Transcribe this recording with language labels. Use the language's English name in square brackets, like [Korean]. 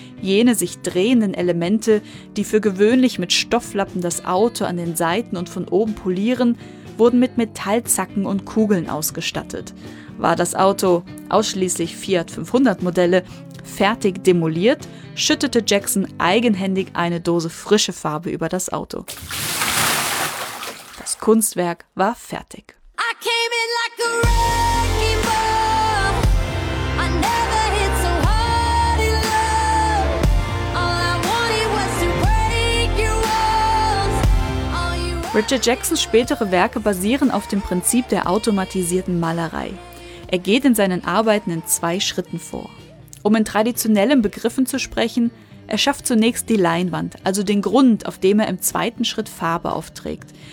[German] Jene sich drehenden Elemente, die für gewöhnlich mit Stofflappen das Auto an den Seiten und von oben polieren, wurden mit Metallzacken und Kugeln ausgestattet. War das Auto, ausschließlich Fiat 500 Modelle, fertig demoliert, schüttete Jackson eigenhändig eine Dose frische Farbe über das Auto. Das Kunstwerk war fertig. [English] I came in like a wrecking ball. I never hit so hard in love. All I wanted was to break your walls. [German] Richard Jacksons spätere Werke basieren auf dem Prinzip der automatisierten Malerei. Er geht in seinen Arbeiten in 2 Schritten vor. Um in traditionellen Begriffen zu sprechen, er schafft zunächst die Leinwand, also den Grund, auf dem er im 2. Schritt Farbe aufträgt.